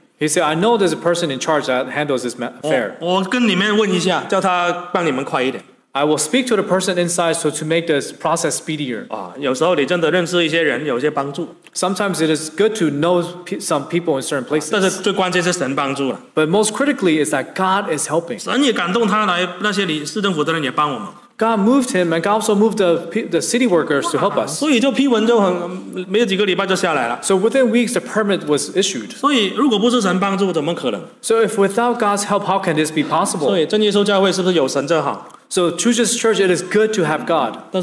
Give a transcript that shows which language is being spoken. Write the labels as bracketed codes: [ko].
[en] He said, I know there's a person in charge that handles this affair. [zh] 我跟里面问一下，叫他帮你们快一点。 [en] I will speak to the person inside so to make this process speedier. [zh] 有时候你真的认识一些人，有些帮助。 [en] Sometimes it is good to know some people in certain places. [zh] 但是最关键是神帮助了。 [en] But most critically is that God is helping. [zh] 神也感动他来，那些你市政府的人也帮我们。 [en] God moved him and God also moved the city workers to help us. [zh] 所以就批文就很，没有几个礼拜就下来了。 [en] So within weeks the permit was issued. [zh] 所以如果不是神帮助，怎么可能？ [en] So if without God's help, how can this be possible? [zh] 所以真耶稣教会是不是有神就好？ [en] So True Jesus Church, it is good to have God.